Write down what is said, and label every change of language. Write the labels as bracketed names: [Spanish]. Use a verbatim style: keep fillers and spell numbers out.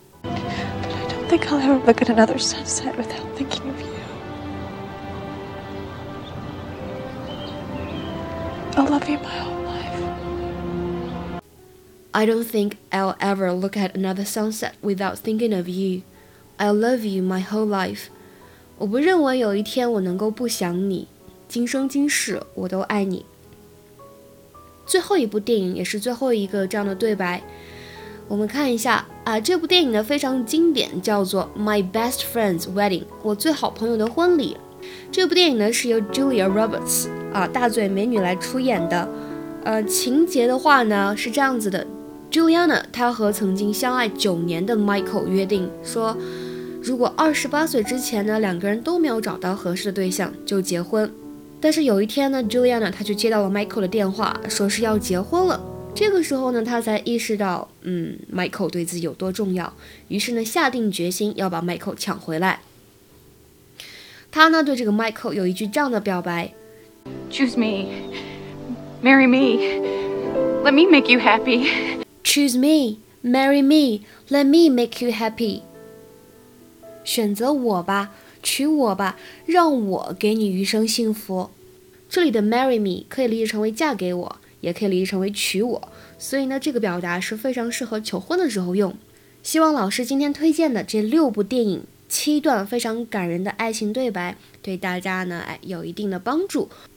[English] I don't think I'll ever look at another sunset without thinking of you. I'll love you my whole life. I don't think I'll ever look at another sunset without thinking of you. I'll love you my whole life. [Chinese] 我不认为有一天我能够不想你，今生今世我都爱你。最后一部电影也是最后一个这样的对白，我们看一下啊，这部电影呢非常经典，叫做 My Best Friend's Wedding， 我最好朋友的婚礼。这部电影呢是由 Julia Roberts 啊大嘴美女来出演的，呃情节的话呢是这样子的， Juliana 她和曾经相爱九年的 Michael 约定说，如果二十八岁之前呢两个人都没有找到合适的对象就结婚。但是有一天呢 Juliana 她就接到了 Michael 的电话，说是要结婚了。这个时候呢她才意识到嗯 Michael 对自己有多重要，于是呢下定决心要把 Michael 抢回来。她呢对这个 Michael 有一句这样的表白， [English] Choose me, marry me, let me make you happy. Choose me, marry me, let me make you happy. [Chinese] 选择我吧，娶我吧，让我给你余生幸福。这里的 [English] marry me [Chinese] 可以理解成为嫁给我，也可以理解成为娶我，所以呢这个表达是非常适合求婚的时候用。希望老师今天推荐的这六部电影，七段非常感人的爱情对白，对大家呢有一定的帮助。